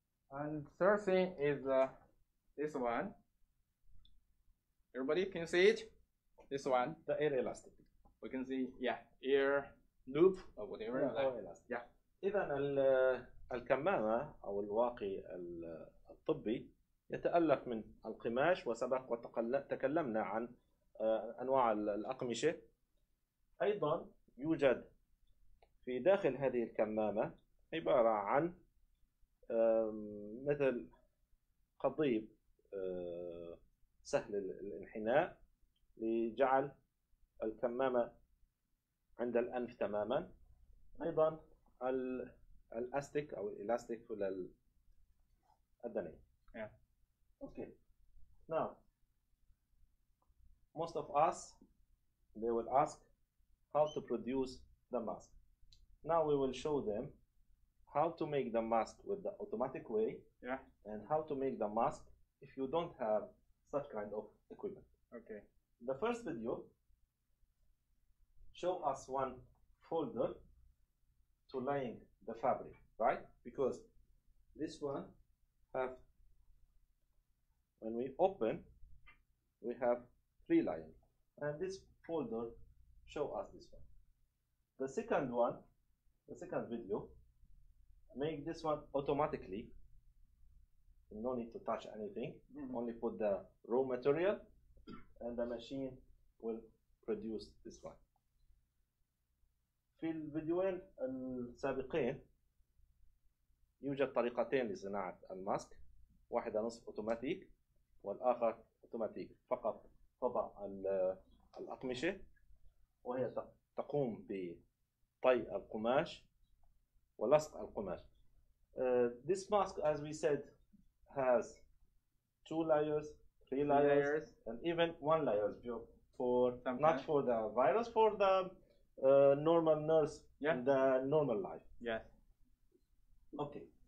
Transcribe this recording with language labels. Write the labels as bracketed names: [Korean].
[English] And third thing is this one. Everybody can see it? This one. The air elastic. We can see, air loop or whatever. [Arabic] إذن الكمامة أو الواقي الطبي يتألف من القماش وسبق وتكلمنا عن أنواع الأقمشة. أيضا يوجد في داخل هذه الكمامة عبارة عن مثل قضيب سهل الانحناء لجعل الكمامة عند الأنف تماما. أيضا الأستيك أو الإلاستيك ولا الأدنية. [English] Okay. Now, most of us, they will ask how to produce the mask. Now we will show them how to make the mask with the automatic way. And how to make the mask if you don't have such kind of equipment. Okay. The first video, show us one folder to laying the fabric, right? Because this one have, when we open, we have three lines. And this folder show us this one. The second one, the second video, make this one automatically. No need to touch anything, only put the raw material and the machine will produce this one. [Arabic] في الفيديوين السابقين يوجد طريقتين لصناعة الماسك، واحدة نصف أوتوماتيك والآخر أوتوماتيك، فقط تضع الأقمشة وهي تقوم بطي القماش ولصق القماش. [English] This mask, as we said, has two layers, three layers, and even one layer for sometimes. Not for the virus, for the normal nurse in the normal life. Okay.